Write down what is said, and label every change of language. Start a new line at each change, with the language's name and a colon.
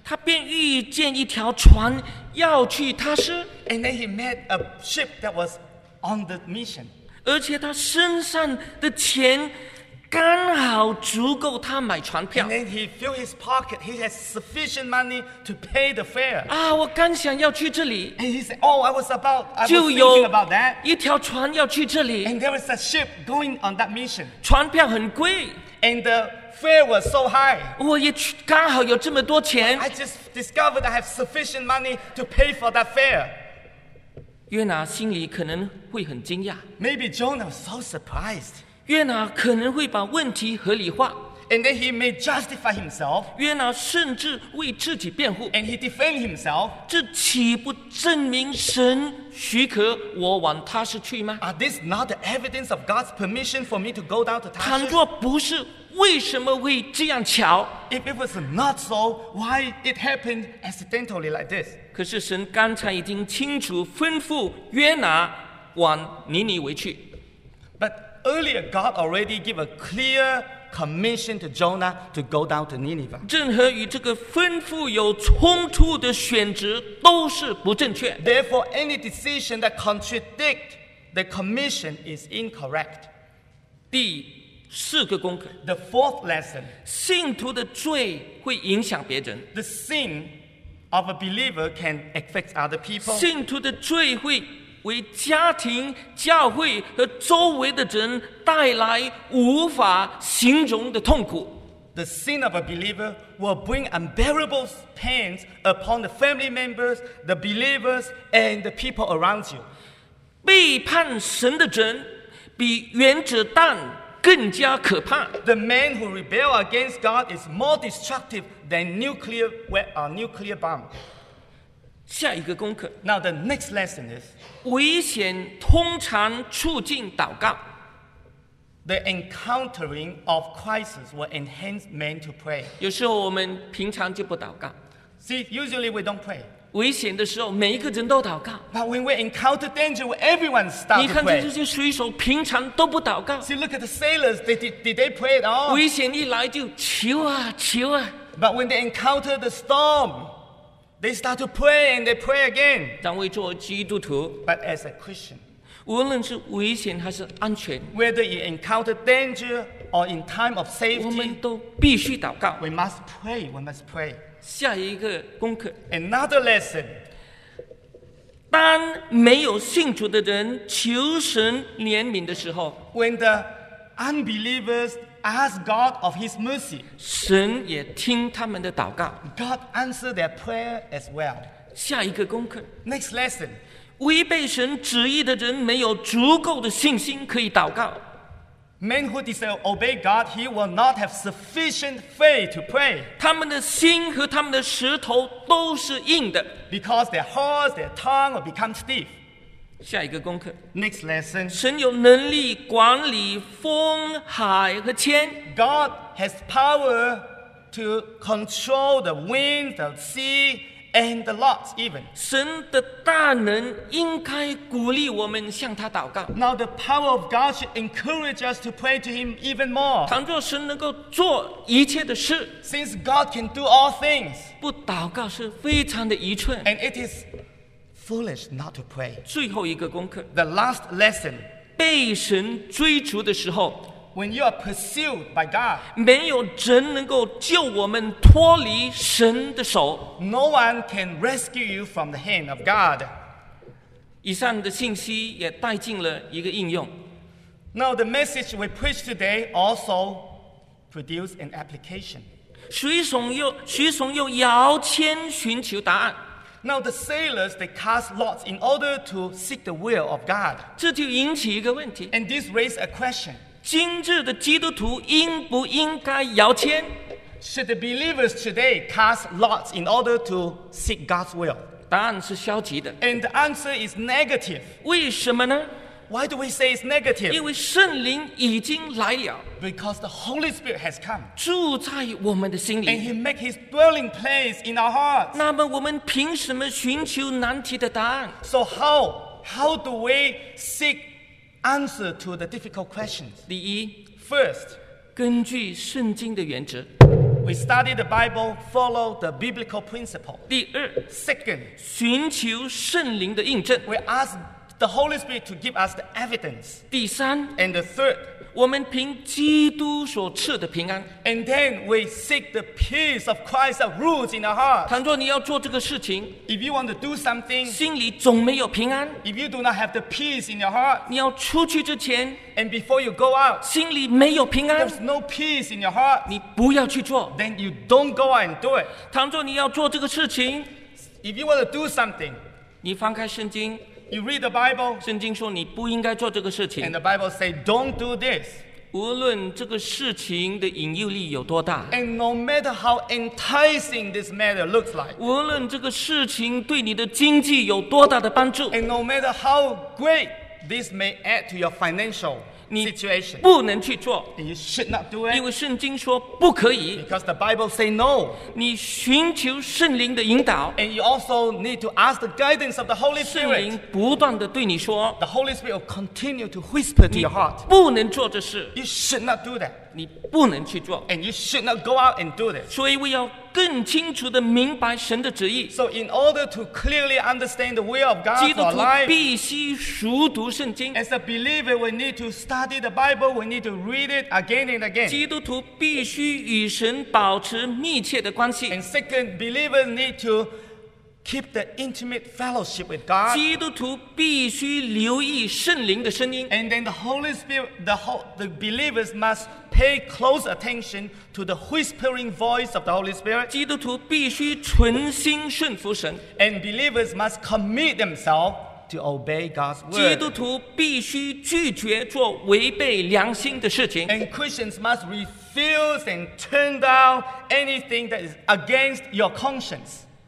Chinese: 他便遇见一条船要去他施。
English: And then he met a ship that was on the mission.
Chinese: 而且他身上的钱刚好足够他买船票。
English: And then he filled his pocket. He has sufficient money to pay the fare.
Chinese: 啊，我刚想要去这里。
English: And he said, "Oh, I was about, I was thinking about that."
Chinese: 就有一条船要去这里。
English: And there was a ship going on that mission.
Chinese: 船票很贵。
English: And the fare was so high.
Chinese: 我也刚好有这么多钱。
English: I just discovered I have sufficient money to pay for that fare.
Chinese: 约拿心里可能会很惊讶。
English: Maybe Jonah was so surprised.
Chinese: 约拿可能会把问题合理化
English: ，and then he may justify himself。
Chinese: 约拿甚至为自己辩护
English: ，and he defend himself。
Chinese: 这岂不证明神许可我往他施去吗
English: ？Are this not the evidence of God's permission for me to go down to Tarshish？
Chinese: 倘若不是，为什么会这样巧
English: ？If it was not so, why it happened accidentally like this？
Chinese: 可是神刚才已经清楚吩咐约拿往尼尼微去。
English: Earlier, God already gave a clear commission to Jonah to go down to Nineveh.
Chinese: 任何与这个吩咐有冲突的选择都是不正确。
English: Therefore, any decision that contradicts the commission is incorrect.
Chinese: 第四个功课。
English: The fourth lesson.
Chinese: 信徒的罪会影响别人。
English: The sin of a believer can affect other people.
Chinese: 信徒的罪会为家庭、教会和周围的人带来无法形容的痛苦。
English: The sin of a believer will bring unbearable pains upon the family members, the believers, and the people around you.
Chinese: 背叛神的人比原子弹更加可怕。
English: The man who rebels against God is more destructive than nuclear bomb.
Chinese: 下一个功课。
English: Now the next lesson is
Chinese: 危险通常促进祷告。
English: The encountering of crisis will enhance men to pray.
Chinese: 有时候我们平常就不祷告。
English: See, usually we don't pray.
Chinese: 危险的时候，每一个人都祷告。
English: But when we encounter danger, everyone starts to pray.
Chinese: 你看这些水手平常都不祷告。
English: See, look at the sailors. Did they pray at all?
Chinese: 危险一来就求啊求啊。
English: But when they encounter the storm. They start to pray and they pray again.
Chinese: 但为做基督徒
English: But as a Christian,
Chinese: 无论是危险还是安全
English: whether you encounter danger or in time of safety,
Chinese: 我们都必须祷告
English: We must pray, we must pray.
Chinese: 下一个功课
English: Another lesson.
Chinese: 当没有信主的人求神怜悯的时候
English: When the unbelievers ask God of His mercy.
Chinese: 神也听他们的祷告。
English: God answered their prayer as well.
Chinese: 下一个功课。
English: Next lesson.
Chinese: 违背神旨意的人没有足够的信心可以祷告。
English: Men who disobey God, he will not have sufficient faith to pray.
Chinese: 他们的心和他们的舌头都是硬的。
English: Because their hearts, their tongue will become stiff.
Chinese: 下一个功课。
English: Next lesson.
Chinese: 神有能力管理风、海和天。
English: God has power to control the wind, the sea, and the lots even.
Chinese: 神的大能应该鼓励我们向他祷告。
English: Now the power of God should encourage us to pray to Him even more.
Chinese: 倘若神能够做一切的事。
English: Since God can do all things.
Chinese: 不祷告是非常的愚蠢。
English: And it is. Foolish not to pray.
Chinese: 最后一个功课。
English: The last lesson.
Chinese: 被神追逐的时候。
English: When you are pursued by God.
Chinese: 没有人能够救我们脱离神的手。
English: No one can rescue you from the hand of God.
Chinese: 以上的信息也带进了一个应用。
English: Now the message we preach today also produces an application.
Chinese: 水手又摇签寻求答案。
English: Now the sailors, they cast lots in order to seek the will of God.
Chinese: 这就引起一个问题。
English: And this raised a question.
Chinese: 今日的基督徒应不应该摇签?
English: Should the believers today cast lots in order to seek God's will?
Chinese: 答案是消极的。
English: And the answer is negative.
Chinese: 为什么呢?
English: Why do we say it's negative?
Chinese: 因为圣灵已经来了。
English: Because the Holy Spirit has come.
Chinese: 住在我们的心里。
English: And He makes His dwelling place in our hearts.
Chinese: 那么我们凭什么寻求难题的答案?
English: So how do we seek answer to the difficult questions?
Chinese: 第一,
English: First,
Chinese: 根据圣经的原则。
English: We study the Bible, follow the biblical principle.
Chinese: 第二,
English: Second,
Chinese: 寻求圣灵的印证。
English: We ask the Holy Spirit to give us the evidence.
Chinese: 第三,
English: And the third,
Chinese: 我们凭基督所赐的平安。
English: And then we seek the peace of Christ that rules in our hearts.
Chinese: 倘若你要做这个事情,
English: If you want to do something,
Chinese: 心里总没有平安,
English: If you do not have the peace in your heart,
Chinese: 你要出去之前,
English: And before you go out,
Chinese: 心里没有平安,
English: There's no peace in your heart,
Chinese: 你不要去做,
English: Then you don't go out and do it.
Chinese: 倘若你要做这个事情,
English: If you want to do something,
Chinese: 你翻开圣经,
English: You read the Bible,
Chinese: 圣经说你不应该做这个事情,
English: and the Bible says, don't do this.
Chinese: 无论这个事情的引诱力有多大,
English: and no matter how enticing this matter looks like,
Chinese: 无论这个事情对你的经济有多大的帮助,
English: and no matter how great this may add to your financial situation,
Chinese: 你不能去做,
English: and you should not do it,
Chinese: 因为圣经说不可以,
English: because the Bible says no.
Chinese: 你寻求圣灵的引导,
English: and you also need to ask the guidance of the Holy Spirit.
Chinese: 圣灵不断地对你说,
English: the Holy Spirit will continue to whisper to your heart.
Chinese: 你不能做这事,
English: you should not do that.
Chinese: 你不能去做,
English: and you should not go out and do this.
Chinese: 所以我要更清楚地明白神的旨意,
English: so in order to clearly understand the will of God for our life,
Chinese: 基督徒必须熟读圣经,
English: as a believer we need to study the Bible, we need to read it again and again.
Chinese: 基督徒必须与神保持密切的关系,
English: and second, believers need to keep the intimate fellowship with God.
Chinese: 基督徒必须留意圣灵的声音,
English: and then the Holy Spirit, the believers must pay close attention to the whispering voice of the Holy Spirit.
Chinese: 基督徒必须存心顺服神,
English: and believers must commit themselves to obey God's word.
Chinese: 基督徒必须拒绝做违背良心的事情,
English: and Christians must refuse and turn down anything that is against your conscience.